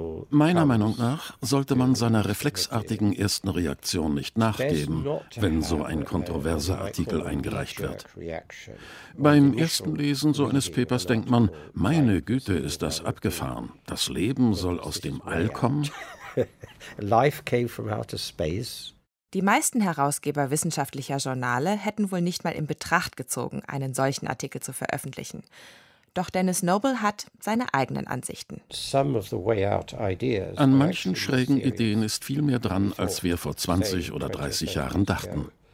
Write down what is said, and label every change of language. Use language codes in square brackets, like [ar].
[de] Meiner Meinung nach sollte man seiner reflexartigen ersten Reaktion nicht nachgeben, wenn so ein kontroverser Artikel eingereicht wird. Beim ersten Lesen so eines Papers denkt man, meine Güte, ist das abgefahren. Das Leben soll aus dem All kommen. [en] Life came from outer space. [de] Die meisten Herausgeber wissenschaftlicher Journale hätten wohl nicht mal in Betracht gezogen, einen solchen Artikel zu veröffentlichen. Doch Dennis Noble hat seine eigenen Ansichten. An manchen schrägen Ideen ist viel mehr dran, als wir vor 20 oder 30 Jahren dachten.